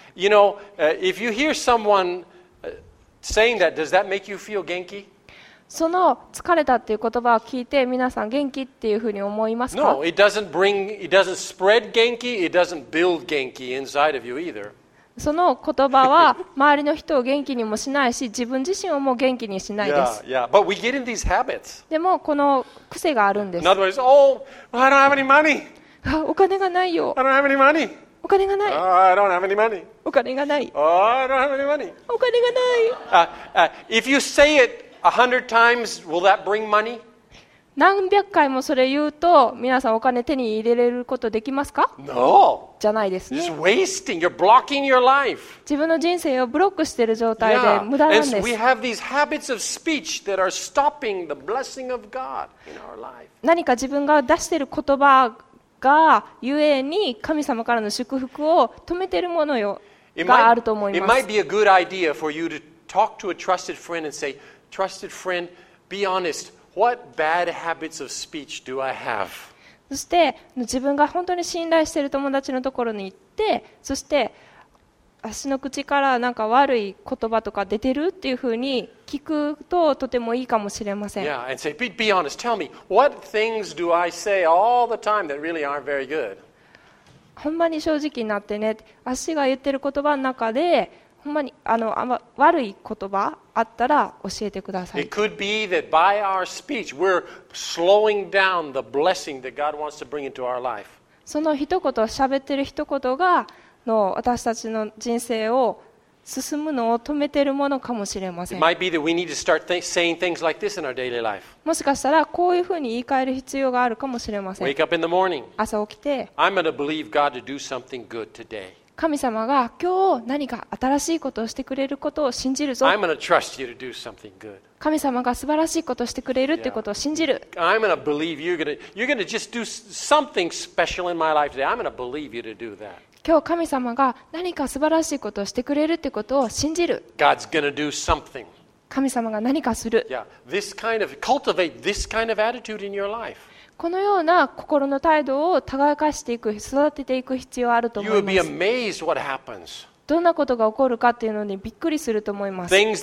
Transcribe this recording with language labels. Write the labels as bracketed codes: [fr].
[en] You know, if you hear someone saying that, does that make you feel 元気? [ja] その疲れたっていう言葉を聞いて皆さん元気っていうふうに思いますか? [en] No, it doesn't bring, it doesn't spread 元気, it doesn't build 元気 inside of you either. [ja] その言葉は周りの人を元気にもしないし、自分自身をもう元気にしないです。 [en] Yeah, yeah. But we get in these habits. [ja] でもこの癖があるんです。 [en] In other words, oh, I don't have any money. [ja] お金がないよ。 [en] I don't have any money. [ja] お金がない。 [en] Oh, I don't have any money. [ja] お金がない。 [en] Oh, I don't have any money. [ja] お金がない。 [en] If you say it 100 times, will that bring money? [ja] 何百回もそれ言うと、皆さんお金手に入れれることできますか? [en] No. [ja] じゃないですね。 [en] Just wasting. You're blocking your life. [ja] 自分の人生をブロックしている状態で無駄なんです。 [en] Yeah. And we have these habits of speech that are stopping the blessing of God in our life. [ja] 何か自分が出している言葉が故に神様からの祝福を止めているものよがあると思います。 [en] It might be a good idea for you to talk to a trusted friend and say, trusted friend, be honest, what bad habits of speech do I have? [ja] そして自分が本当に信頼している友達のところに行って、そして私の口からなんか悪い言葉とか出てるっていうふうに聞くととてもいいかもしれません。 [en] Yeah, and say, be honest. Tell me, what things do I say all the time that really aren't very good? [ja] ほんまに正直になってね。私が言ってる言葉の中で、ほんまに悪い言葉あったら教えてください。 [en] It could be that by our speech, we're slowing down the blessing that God wants to bring into our life. [ja] その一言、喋ってる一言が、私たちの人生を進むのを止めているものかもしれません。 [en] It might be that we need to start saying things like this in our daily life. [ja] もしかしたらこういうふうに言い換える必要があるかもしれません。 [en] Wake up in the morning. [ja] 朝起きて、 [en] I'm going to believe God to do something good today. [ja] 神様が今日何か新しいことをしてくれることを信じるぞ。 [en] I'm going to trust you to do something good. [ja] 神様が素晴らしいことをしてくれるということを信じる。 [en] Yeah. I'm going to believe you're going to just do something special in my life today. I'm going to believe you to do that. [ja] 今日神様が何か素晴らしいことをしてくれるということを信じる。 [en] God's gonna do something. [ja] 神様が何かする。 [en] Yeah, this kind of, cultivate this kind of attitude in your life. [ja] このような心の態度を耕していく、育てていく必要があると思います。どんなことが起こるかというのにびっくりすると思います。